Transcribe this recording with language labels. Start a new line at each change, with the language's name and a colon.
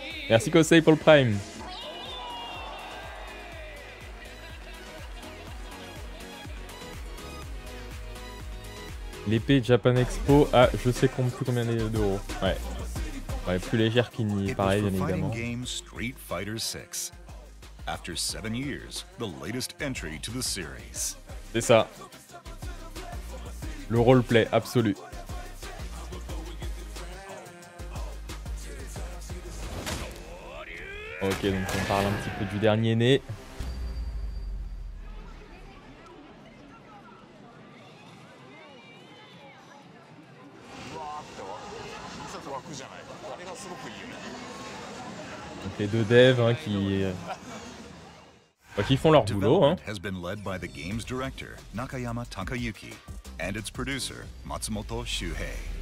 French: Merci Kosei pour le Prime. L'épée Japan Expo à je sais combien d'euros. Ouais. Ouais, plus légère qu'il n'y paraît, bien évidemment.
English: Game Street Fighter 6. After 7 years, the latest entry to the series.
French: C'est ça. Le roleplay absolu. Ok, donc on parle un petit peu du dernier né. Donc les deux devs hein, qui font leur boulot.
English: Has been led by the game's director Nakayama Takayuki and its producer Matsumoto Shuhei.